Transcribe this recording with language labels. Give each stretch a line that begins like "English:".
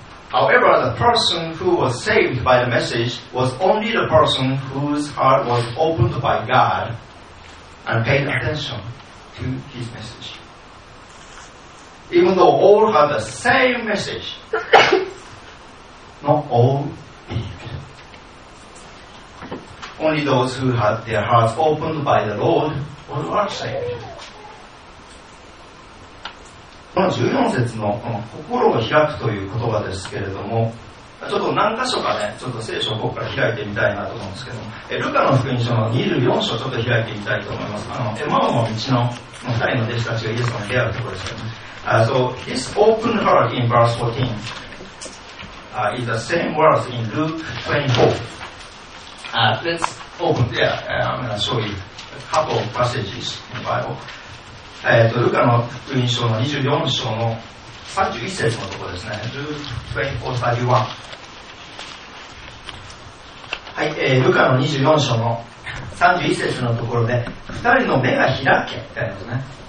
English: However, the person who was saved by the message was only the person whose heart was opened by God and paid attention to his message. Even though all had the same message, not all believed. Only those who had their hearts opened by the Lord were saved.
Japanese: この14節のこの心を開くという言葉ですけれども、ちょっと何箇所かね、ちょっと聖書をここから開いてみたいなと思うんですけども、ルカの福音書の24章ちょっと開いてみたいと思います。エマオの道の2人の弟子たちがイエスの出会うところですけども、
English: So this open heart in verse 14 is the same words in Luke 24. Let's open there. I'm going to show you a couple of passages in the Bible.
Japanese: ルカの福音書の24章の31節のところですね。
English: Luke 24:31。
Japanese: はい、ルカの24章の31節のところで、二人の目が開けってありますね。